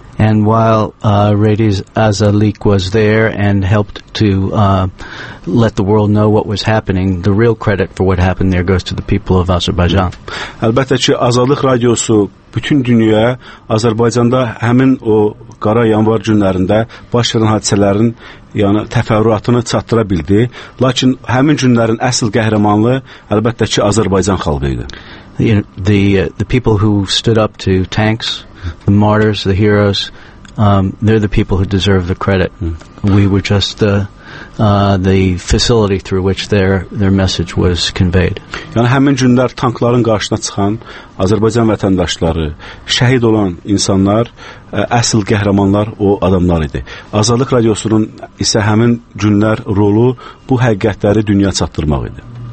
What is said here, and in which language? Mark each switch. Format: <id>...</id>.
<en>And while Radio Azadlıq was there and helped to let the world know what was happening, the real credit for what happened there goes to the people of Azerbaijan.</en> <az>Əlbəttə ki, Azadlıq Radiosu bütün dünyaya Azərbaycanda həmin o qara yanvar günlərində baş verən hadisələrin təfərrüatını çatdıra bildi. Lakin həmin günlərin əsl qəhrəmanı əlbəttə ki, Azərbaycan xalqı idi.</az> <en>The people who stood up to tanks, the martyrs, the heroes, they're the people who deserve the credit. We were just the facility through which their message was conveyed.</en> <az>Yəni həmin günlər tankların qarşısına çıxan Azərbaycan vətəndaşları, şəhid olan insanlar, əsl qəhrəmanlar o adamlar idi. Azadlıq Radiosunun isə həmin günlər rolu bu həqiqətləri dünya çatdırmaq idi.</az>